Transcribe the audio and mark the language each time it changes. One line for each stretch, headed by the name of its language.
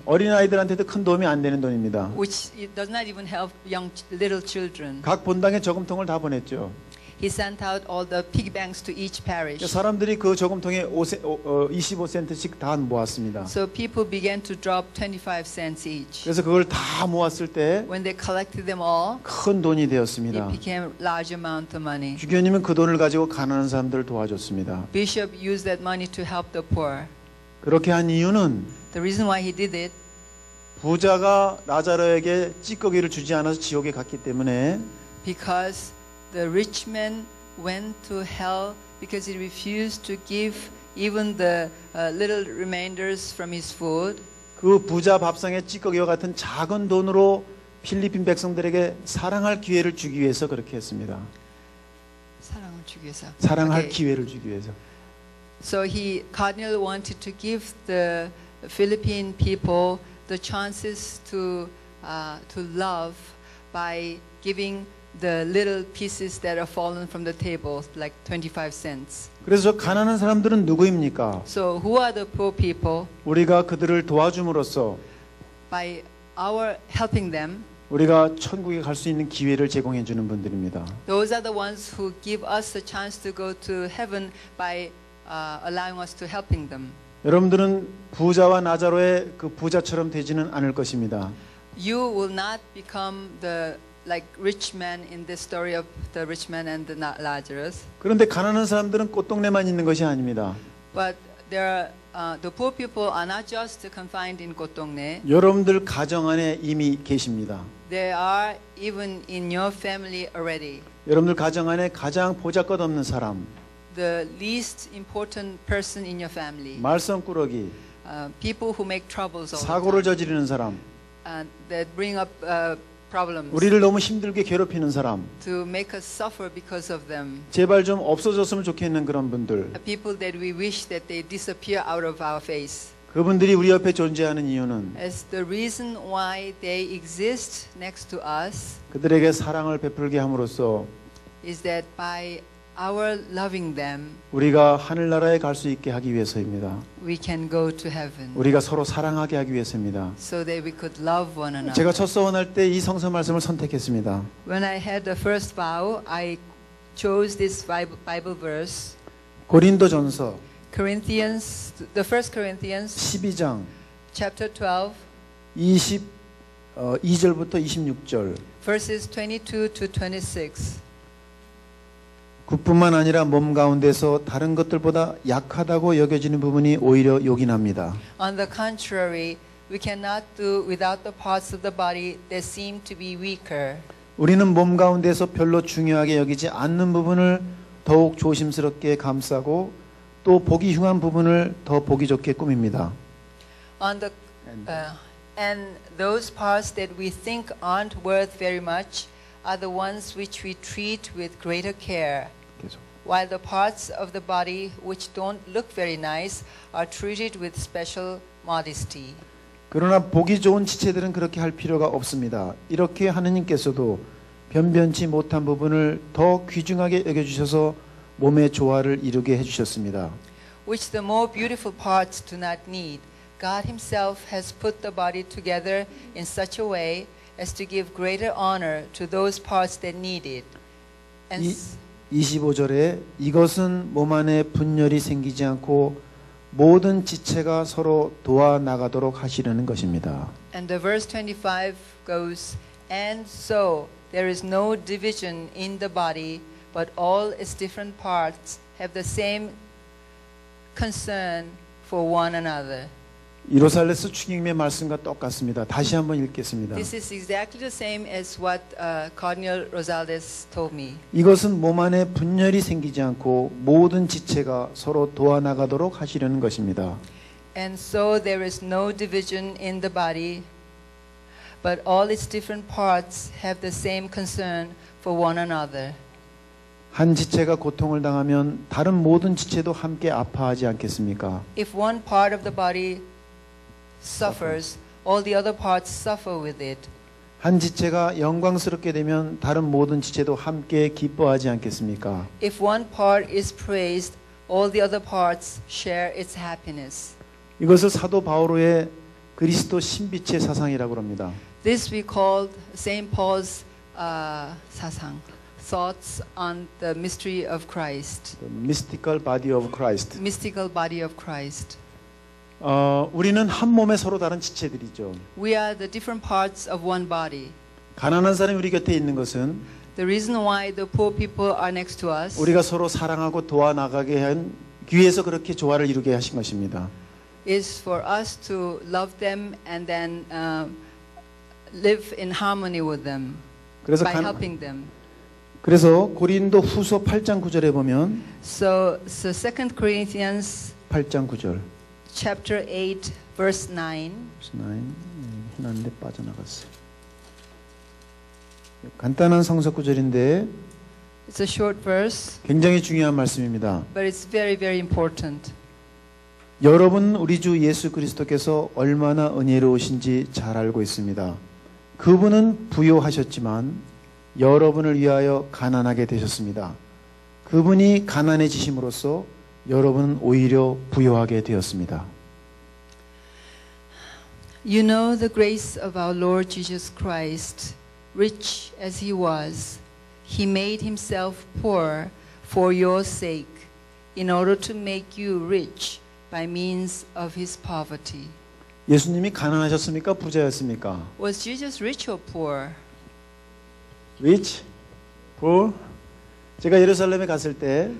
Korean: 어린아이들한테도 큰 도움이 안 되는 돈입니다.
English: Which does not even help young little children.
Korean: 각 본당에 저금통을 다 보냈죠.
English: He sent out all the pig banks to each parish.
Korean: 사람들이 그 저금통에 25센트씩 다 모았습니다.
English: So people began to drop 25 cents each.
Korean: 그래서 그걸 다 모았을 때
English: When they collected them all,
Korean: 큰 돈이 되었습니다.
English: It became large amount of money.
Korean: 주교님은 그 돈을 가지고 가난한 사람들을 도와줬습니다.
English: Bishop used that money to help the poor.
Korean: 그렇게 한 이유는
English: The reason why he did it,
Korean: 부자가 라자로에게 찌꺼기를 주지 않아서 지옥에 갔기 때문에
English: because The rich man went to hell because he refused to give even the little remainders from his food.
Korean: 그 부자 밥상에 찌꺼기와 같은 작은 돈으로 필리핀 백성들에게 사랑할 기회를 주기 위해서 그렇게 했습니다. 사랑을 주기 위해서. 사랑할 okay. 기회를 주기 위해서.
English: So he cardinal wanted to give the Philippine people the chances to love by giving the little pieces that are fallen from the table like 25 cents.
Korean: 그래서 가난한 사람들은 누구입니까?
English: So who are the poor people?
Korean: 우리가 그들을 도와줌으로써
English: by our helping them
Korean: 우리가 천국에 갈 수 있는 기회를 제공해 주는 분들입니다.
English: Those are the ones who give us the chance to go to heaven by allowing us to helping them.
Korean: 여러분들은 부자와 나자로의 그 부자처럼 되지는 않을 것입니다.
English: You will not become the like rich man in the story of the rich man and the Lazarus
Korean: 그런데 가난한 사람들은 꽃동네만 있는 것이 아닙니다.
English: But there are the poor people are not just confined in 꽃동네.
Korean: 여러분들 가정 안에 이미 계십니다.
English: They are even in your family already.
Korean: 여러분들 가정 안에 가장 보잘것없는 사람
English: the least important person in your family
Korean: 말썽꾸러기
English: people who make troubles
Korean: 사고를 저지르는 사람
English: that bring up problems
Korean: 우리를 너무 힘들게 괴롭히는 사람
English: to make us suffer because of them
Korean: 제발 좀 없어졌으면 좋겠는 그런 분들
English: people that we wish that they disappear out of our face
Korean: 그분들이 우리 옆에 존재하는 이유는
English: as the reason why they exist next to us
Korean: 그들에게 사랑을 베풀게 함으로써
English: is that by our loving them
Korean: 우리가 하늘나라에 갈 수 있게 하기 위해서입니다.
English: We can go to heaven.
Korean: 우리가 서로 사랑하게 하기 위해서입니다.
English: So that we could love one another.
Korean: 제가 첫 서원할 때 이 성서 말씀을 선택했습니다.
English: When I had the first vow, I chose this Bible verse.
Korean: 고린도전서
English: Corinthians the first Corinthians
Korean: 12장
English: chapter 12
Korean: 22절부터 26절
English: verses 22 to 26.
Korean: 그뿐만 아니라 몸 가운데서 다른 것들보다 약하다고 여겨지는 부분이 오히려 욕이 납니다.
English: On the contrary, We cannot do without the parts of the body that seem to be weaker.
Korean: 우리는 몸 가운데서 별로 중요하게 여기지 않는 부분을 더욱 조심스럽게 감싸고 또 보기 흉한 부분을 더 보기 좋게 꾸밉니다.
English: And those parts that we think aren't worth very much are the ones which we treat with greater care. While the parts of the body which don't look very nice are treated with special modesty.
Korean: 그러나 보기 좋은 지체들은 그렇게 할 필요가 없습니다. 이렇게 하느님께서도 변변치 못한 부분을 더 귀중하게 여겨 주셔서 몸의 조화를 이루게 해 주셨습니다.
English: Which the more beautiful parts do not need, God himself has put the body together in such a way as to give greater honor to those parts that need it.
Korean: And 25절에 이것은 몸 안에 분열이 생기지 않고 모든 지체가 서로 도와 나가도록 하시려는 것입니다.
English: And the verse 25 goes, and so there is no division in the body, but all its different parts have the same concern for one another.
Korean: 이로살레스 주님의 말씀과 똑같습니다. 다시 한번 읽겠습니다.
English: This is exactly the same as what Cardinal Rosales told me.
Korean: 이것은 몸 안에 분열이 생기지 않고 모든 지체가 서로 도와 나가도록 하시려는 것입니다.
English: And so there is no division in the body, but all its different parts have the same concern for one another.
Korean: 한 지체가 고통을 당하면 다른 모든 지체도 함께 아파하지 않겠습니까?
English: If one part of the body suffers, all the other parts suffer with it.
Korean: 한 지체가 영광스럽게 되면 다른 모든 지체도 함께 기뻐하지 않겠습니까?
English: If one part is praised, all the other parts share its happiness.
Korean: 이것을 사도 바울의 그리스도 신빛의 사상이라고 합니다.
English: This we call Saint Paul's 사상, thoughts on the mystery of Christ. The mystical body of Christ. Mystical body of Christ.
Korean: 우리는 한 몸에 서로 다른 지체들이죠.
English: We are the different parts of one body.
Korean: 가난한 사람이 우리 곁에 있는 것은
English: the reason why the poor people are next to us.
Korean: 우리가 서로 사랑하고 도와 나가게 한 귀에서 그렇게 조화를 이루게 하신 것입니다.
English: Is for us to love them and then live in harmony with them by helping them.
Korean: 그래서 고린도후서 8장 9절에 보면
English: So 2 Corinthians
Korean: 8장 9절.
English: Chapter 8, verse 9.
Korean: 9. 흔한데 빠져나갔어요. 간단한 성서 구절인데.
English: It's a short verse.
Korean: 굉장히 중요한 말씀입니다.
English: But it's very, very important.
Korean: 여러분 우리 주 예수 그리스도께서 얼마나 은혜로우신지 잘 알고 있습니다. 그분은 부요하셨지만 여러분을 위하여 가난하게 되셨습니다. 그분이 가난해지심으로써 여러분은 오히려 부요하게 되었습니다.
English: You know the grace of our Lord Jesus Christ. Rich as he was, he made himself poor for your sake in order to make you rich by means of his poverty.
Korean: 예수님이 가난하셨습니까? 부자였습니까?
English: Was Jesus rich or poor? Rich? Poor?
Korean: 제가 예루살렘에 갔을 때